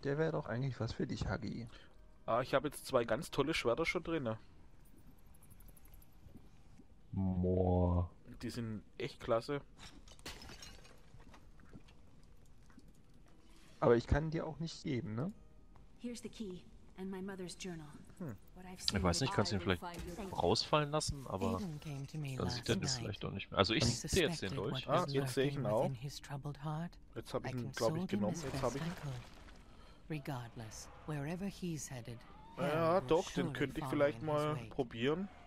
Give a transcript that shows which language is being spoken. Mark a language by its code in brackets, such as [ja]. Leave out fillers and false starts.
[de] Der wäre doch eigentlich was für dich, Hagi. Ah, ich habe jetzt zwei ganz tolle Schwerter schon drin. Moa. Die sind echt klasse. Aber ich kann dir auch nicht geben, ne? [en] Here's the key and my mother's journal. Hm. [de] Ich weiß nicht, kannst du ihn vielleicht rausfallen lassen, aber dann sieht er das vielleicht doch nicht mehr. Also ich sehe jetzt den durch. Ah, jetzt sehe ich ihn auch. Jetzt habe ich ihn, glaube ich, genommen. Jetzt habe ich ihn. Ja, doch, den könnte ich vielleicht mal probieren.